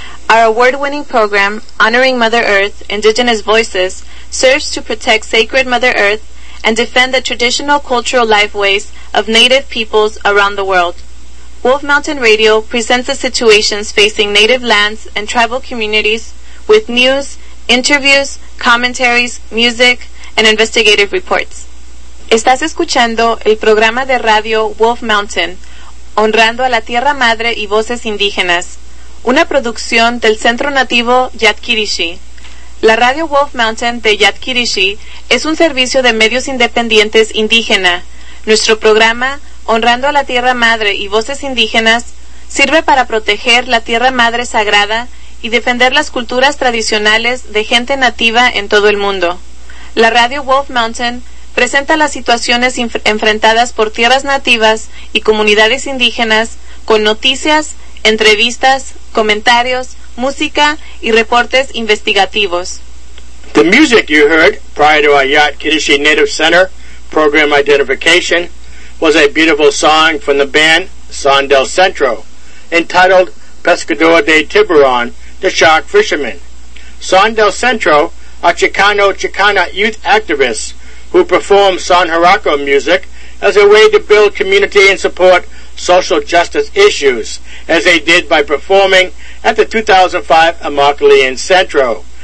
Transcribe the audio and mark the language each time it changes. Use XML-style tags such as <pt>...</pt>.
<en>Our award-winning program, Honoring Mother Earth Indigenous Voices, serves to protect sacred Mother Earth and defend the traditional cultural lifeways of Native peoples around the world. Wolf Mountain Radio presents the situations facing Native lands and tribal communities with news, interviews, commentaries, music, and investigative reports.</en> <es>Estás escuchando el programa de radio Wolf Mountain, honrando a la Tierra Madre y voces indígenas, una producción del Centro Nativo Yatkidishi. La radio Wolf Mountain de Yatkidishi es un servicio de medios independientes indígena. Nuestro programa, honrando a la Tierra Madre y voces indígenas, sirve para proteger la Tierra Madre Sagrada y defender las culturas tradicionales de gente nativa en todo el mundo. La radio Wolf Mountain presenta las situaciones enfrentadas por tierras nativas y comunidades indígenas con noticias, entrevistas, comentarios, música y reportes investigativos.</es> <en>The music you heard prior to our Yatkidishi Native Center program identification was a beautiful song from the band Son del Centro, entitled Pescador de Tiburón, the Shark Fisherman. Son del Centro are Chicano-Chicana youth activists who perform San Jeraco music as a way to build community and support social justice issues, as they did by performing at the 2005 Immokalee Centro.</en>